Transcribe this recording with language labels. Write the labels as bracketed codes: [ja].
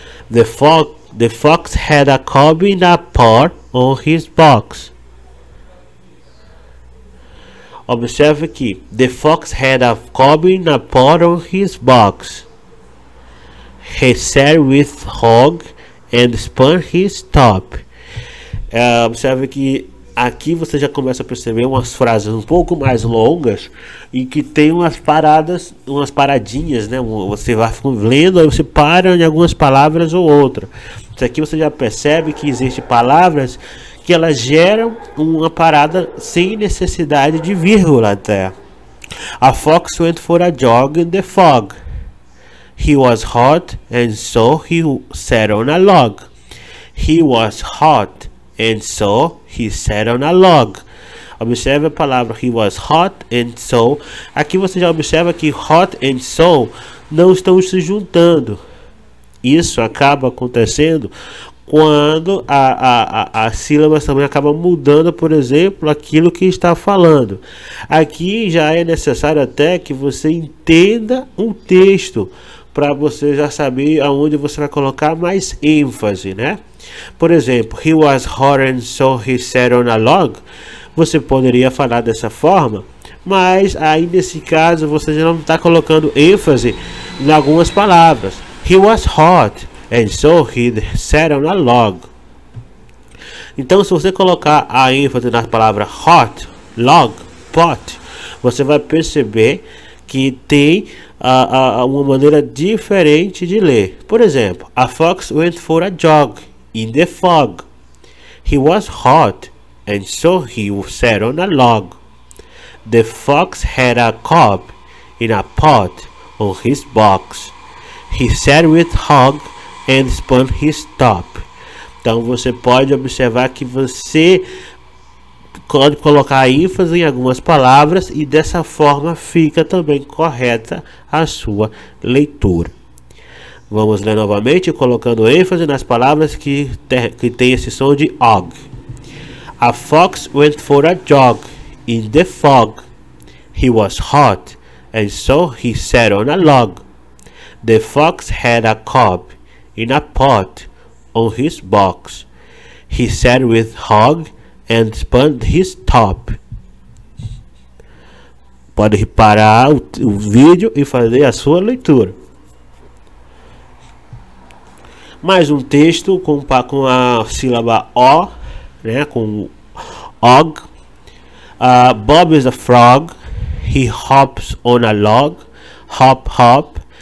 [en] The fox had a cob in a pot on his box. [pt] Observe aqui. [en] The fox had a cob in a pot on his box. He sat with hog and spun his top. [pt] Observe que aqui você já começa a perceber umas frases um pouco mais longas e que tem umas paradinhas, né? Você vai lendo, aí você para em algumas palavras ou outra. Isso aqui você já percebe que existem palavras que elas geram uma parada sem necessidade de vírgula até. [en] A fox went for a jog in the fog. He was hot and so he sat on a log. He was hot and so he sat on a log. [pt] Observe a palavra [en] he was hot and so. [pt] Aqui você já observa que hot and so não estão se juntando. Isso acaba acontecendo quando as sílabas também acabam mudando, por exemplo, aquilo que está falando. Aqui já é necessário até que você entenda um texto para você já saber aonde você vai colocar mais ênfase, né? Por exemplo, [en] he was hot and so he sat on a log. [pt] Você poderia falar dessa forma, mas aí nesse caso você já não está colocando ênfase em algumas palavras. [en] He was hot and so he sat on a log. [pt] Então, se você colocar a ênfase na palavra hot, log, pot, você vai perceber que tem uma maneira diferente de ler. Por exemplo, [en] a fox went for a jog in the fog. He was hot and so he sat on a log. The fox had a cob in a pot on his box. He sat with hog and spun his top. [pt] Então você pode observar que você pode colocar ênfase em algumas palavras e dessa forma fica também correta a sua leitura. Vamos ler novamente, colocando ênfase nas palavras que tem esse som de og. [en] A fox went for a jog in the fog. He was hot and so he sat on a log. The fox had a cob in a pot on his box. He sat with hog and spun his top. [pt] Pode reparar o vídeo e fazer a sua leitura. Mais um texto com a sílaba O, né, com og. [en] Bob is a frog. He hops on a log. Hop, hop.